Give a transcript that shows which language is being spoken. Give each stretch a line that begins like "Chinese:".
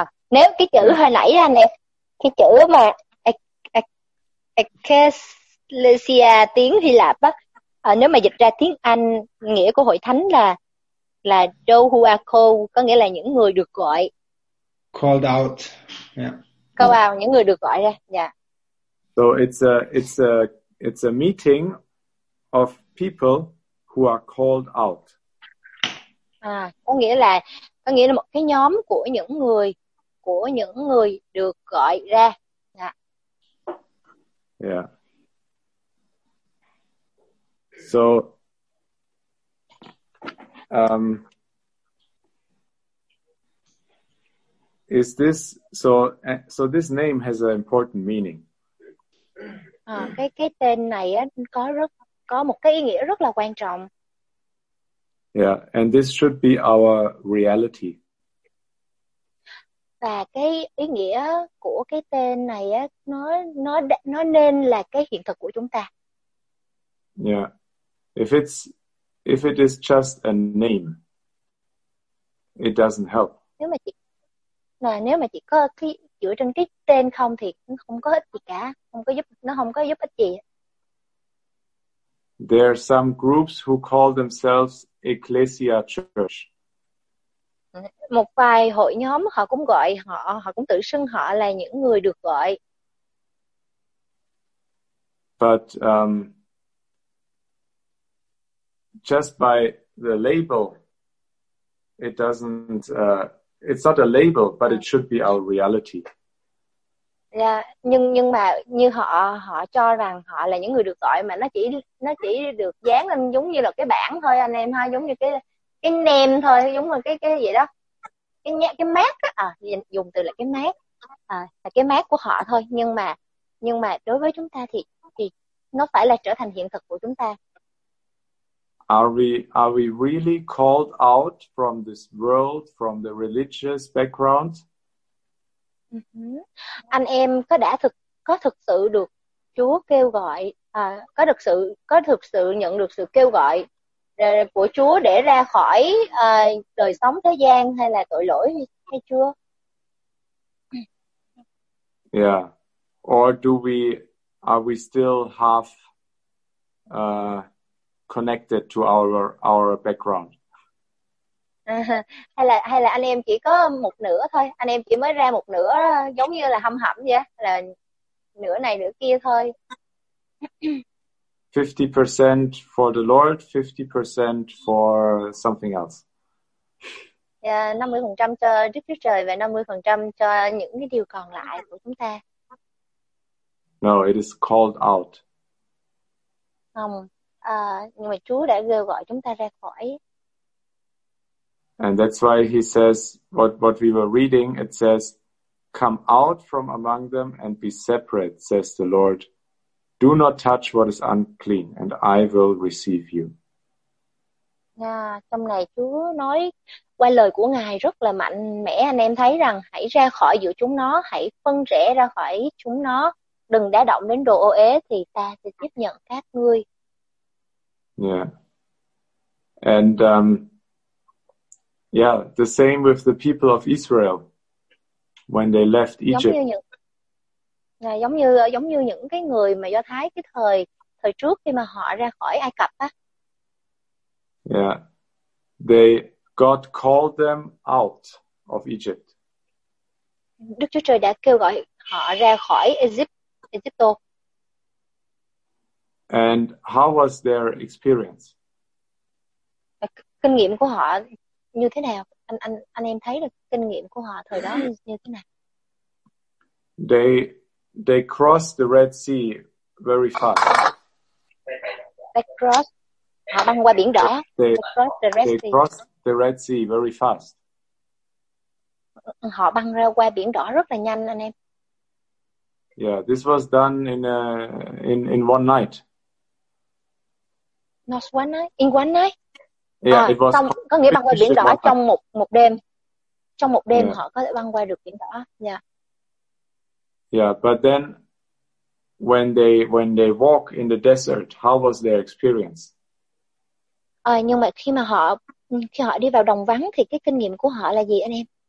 Vietnamese: Nếu cái chữ hồi nãy ra nè, cái chữ mà Ecclesia tiếng Hy Lạp á, nếu mà dịch ra tiếng Anh nghĩa của hội thánh là
English: those who are called,
Vietnamese: có nghĩa là những người được gọi.
English: Called out. Yeah.
Vietnamese: Câu vào những người được gọi ra.
English: Yeah. So it's a meeting of people who are called out.
Vietnamese: Có nghĩa là một cái nhóm của những người được gọi ra.
English: Yeah. Yeah. So is this so this name has an important meaning.
Vietnamese: Cái tên này á có một cái ý nghĩa rất là quan trọng.
English: Yeah, and this should be our reality.
Vietnamese: Và cái ý nghĩa của cái tên này á nó nên là cái hiện thực của chúng ta.
English: Yeah. If it is just a name, it doesn't help.
Vietnamese: Nếu mà chỉ có cái dựa trên cái tên không thì không có ích gì cả, không có giúp ích gì.
English: There are some groups who call themselves Ecclesia Church.
Vietnamese: Một vài hội nhóm họ cũng tự xưng họ là những người được gọi.
English: But just by the label, it doesn't. It's not a label, but it should be our reality.
Vietnamese: Yeah, nhưng mà như họ cho rằng họ là những người được gọi mà nó chỉ được dán lên giống như là cái bảng thôi anh em ha, giống như cái name thôi, giống như cái gì đó, cái mác á, dùng từ là cái mác, là cái mác của họ thôi. Nhưng mà đối với chúng ta thì nó phải là trở thành hiện thực của chúng ta.
English: Are we really called out from this world, from the religious background? Uh-huh.
Vietnamese: Anh em có thực sự được Chúa kêu gọi, có thực sự nhận được sự kêu gọi của Chúa để ra khỏi đời sống thế gian hay là tội lỗi hay chưa?
English: Yeah. Or are we still half connected to our background.
Vietnamese: Hay là anh em chỉ có một nửa thôi, anh em chỉ mới ra một nửa giống như là hâm hẩm vậy, là nửa này nửa kia thôi.
English: 50% for the Lord, 50% for something else.
Vietnamese: Yeah, 50% cho Đức Chúa Trời và 50% cho những cái điều còn lại của chúng ta.
English: No, it is called out.
Vietnamese: Không. Nhưng mà Chúa đã kêu gọi chúng ta ra khỏi.
English: And that's why he says what we were reading, it says, come out from among them and be separate, says the Lord. Do not touch what is unclean, and I will receive you.
Vietnamese: Trong này Chúa nói qua lời của Ngài rất là mạnh mẽ, anh em thấy rằng hãy ra khỏi giữa chúng nó, hãy phân rẽ ra khỏi chúng nó, đừng đả động đến đồ ô uế thì ta sẽ tiếp nhận các ngươi.
English: Yeah. And yeah, the same with the people of Israel when they left Egypt.
Vietnamese: Giống như những cái người mà Do Thái cái thời trước khi mà họ ra khỏi Ai Cập á.
English: Yeah. They God called them out of Egypt.
Vietnamese: Đức Chúa Trời đã kêu gọi họ ra khỏi Egypt.
English: And how was their experience?
Vietnamese: Kinh nghiệm của họ như thế nào? Anh em thấy được kinh nghiệm của họ thời đó như thế nào?
English: They crossed the Red Sea very fast. They crossed.
Vietnamese: Họ băng qua biển đỏ.
English: They crossed the Red Sea very fast.
Vietnamese: Họ băng ra qua biển đỏ rất là nhanh anh em.
English: Yeah, this was done in one night. Not one night, in one night.
Vietnamese: xong có nghĩa băng qua biển đỏ trong một đêm, trong một đêm họ có thể băng qua được biển đỏ.
English: But then when they walk in the desert, how was their experience?
Vietnamese: Nhưng mà khi họ đi vào đồng vắng thì cái kinh nghiệm của họ là gì anh em?